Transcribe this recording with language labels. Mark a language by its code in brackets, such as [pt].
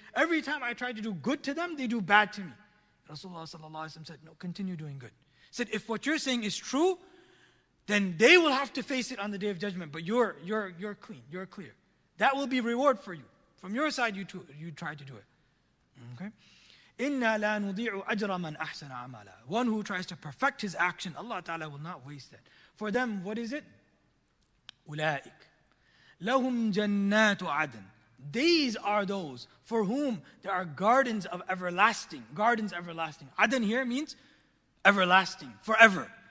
[en] Every time I try to do good to them, they do bad to me. Rasulullah Sallallahu Alaihi Wasallam said, no, continue doing good. He said, if what you're saying is true, then they will have to face it on the Day of Judgment, but you're clean, you're clear. That will be reward for you. From your side, you try to do it. Okay? [ar] إِنَّا لَا نُضِيعُ أَجْرَ مَنْ أَحْسَنَ عَمَلًا. [en] One who tries to perfect his action, Allah Ta'ala will not waste that. For them, what is it? [ar] أُولَٰئِكَ لَهُمْ جَنَّاتُ عَدْنٍ. [en] These are those for whom there are gardens of everlasting. Gardens everlasting. عَدْن here means everlasting, forever.